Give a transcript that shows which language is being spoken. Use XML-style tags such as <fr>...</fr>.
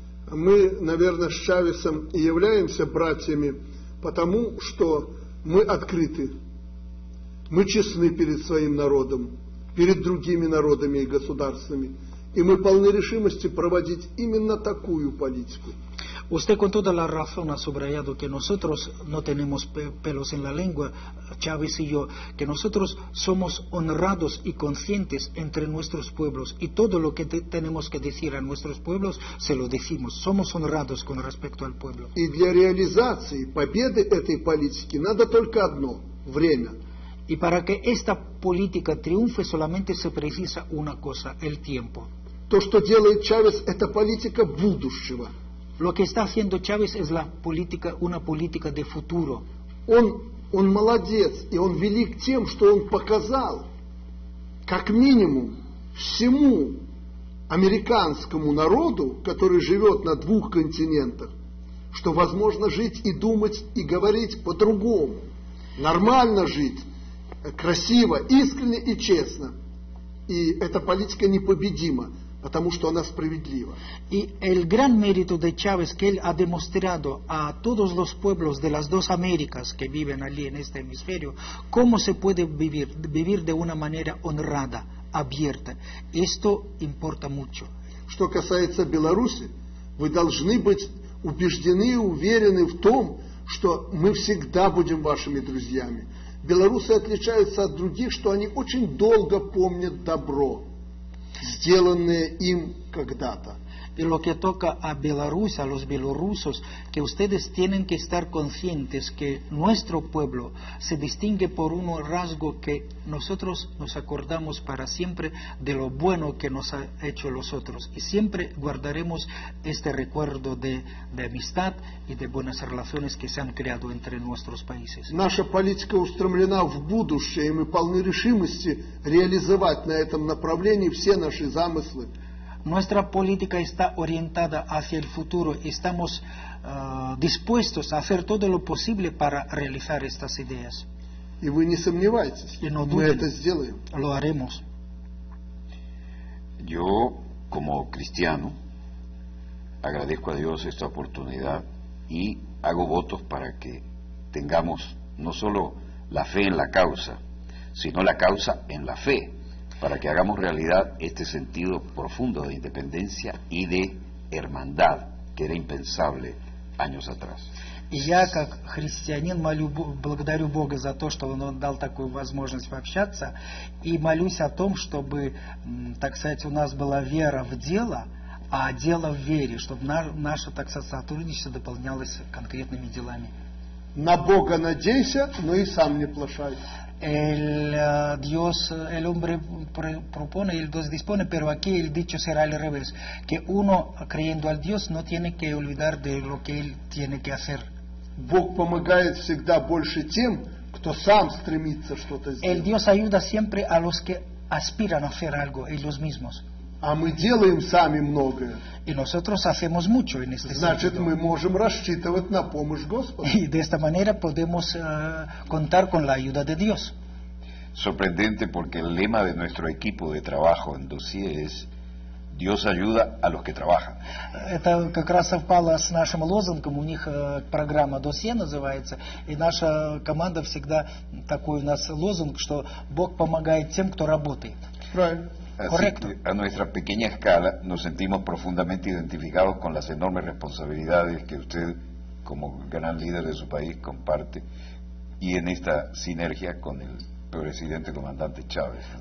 <ru>Мы, наверное, с Чавесом и являемся братьями, потому что мы открыты. Мы честны перед своим народом, перед другими народами и государствами. И мы полны решимости проводить именно такую политику.</ru> <es>Usted con toda la razón ha subrayado que nosotros no tenemos pelos en la lengua, Chávez y yo, que nosotros somos honrados y conscientes entre nuestros pueblos, y todo lo que tenemos que decir a nuestros pueblos se lo decimos, somos honrados con respecto al pueblo. Y</es> <ru>для реализации победы этой политики надо только одно – время.</ru> <es>Y para que esta política triunfe solamente se precisa una cosa – el tiempo.</es> <ru>То, что делает Чавес, это политика будущего.</ru> <es>Lo que está haciendo Chávez es la política, una política de futuro.</es> <ru>Он молодец, и он велик тем, что он показал, как минимум, всему американскому народу, который живет на двух континентах, что возможно жить и думать, и говорить по-другому. Нормально жить, красиво, искренне и честно. И эта политика непобедима. Потому что она справедлива.</ru> <es>Y el gran mérito de Chávez que él ha demostrado a todos los pueblos de las dos Américas que viven allí en este hemisferio, cómo se puede vivir de una manera honrada, abierta. Esto importa mucho.</es> <ru>Что касается Беларуси, вы должны быть убеждены и уверены в том, что мы всегда будем вашими друзьями. Беларусы отличаются от других, что они очень долго помнят добро, сделанные им когда-то.</ru> <es>И lo que toca a Беларусь, a los белорусов, que ustedes tienen que estar conscientes que nuestro pueblo se distingue por un rasgo que nosotros nos acordamos para siempre de lo bueno que nos ha hecho los otros. Y siempre guardaremos este recuerdo de amistad y de buenas relaciones que se han creado entre nuestros países.</es> <ru>Наша политика устремлена в будущее, и мы полны решимости реализовать на этом направлении все наши замыслы.</ru> <es>Nuestra política está orientada hacia el futuro y estamos dispuestos a hacer todo lo posible para realizar estas ideas. Y</es> <ru>вы не сомневайтесь,</ru> <es>y no duden,</es> <ru>мы это сделаем.</ru> <es>Lo haremos. Yo, como cristiano, agradezco a Dios esta oportunidad y hago votos para que tengamos no solo la fe en la causa, sino la causa en la fe. Para que hagamos realidad este sentido profundo de independencia y de hermandad, que era impensable años atrás.</es> <ru>И я, как христианин, молю, благодарю Бога за то, что Он дал такую возможность пообщаться, и молюсь о том, чтобы, так сказать, у нас была вера в дело, а дело в вере, чтобы наше, так сказать, сотрудничество дополнялось конкретными делами. На Бога надейся, но и сам не плашай.</ru> <es>El hombre propone y el Dios dispone, pero aquí el dicho será al revés, que uno creyendo al Dios no tiene que olvidar de lo que él tiene que hacer.</es> <ru>Бог помогает всегда больше тем, кто сам стремится что-то сделать.</ru> <es>El Dios ayuda siempre a los que aspiran a hacer algo, ellos mismos.</es> <ru>А мы делаем сами многое.</ru> <es>Y nosotros hacemos mucho en este</es> <ru>Значит,</ru> <es>sentido.</es> <ru>Мы можем рассчитывать на помощь Господа.</ru> <es>Y de esta manera podemos contar con la ayuda de Dios. Sorprendente porque el lema de nuestro equipo de trabajo en Dossier es Dios ayuda a los que trabajan.</es> <ru>Это как раз совпало с нашим лозунгом, у них программа Dossier называется, и наша команда всегда такой у нас лозунг, что Бог помогает тем, кто работает. Правильно.</ru> <es>Así, a nuestra pequeña escala nos sentimos profundamente identificados con las enormes responsabilidades que usted como gran líder de su país comparte y en esta sinergia con el presidente comandante Chávez.</es>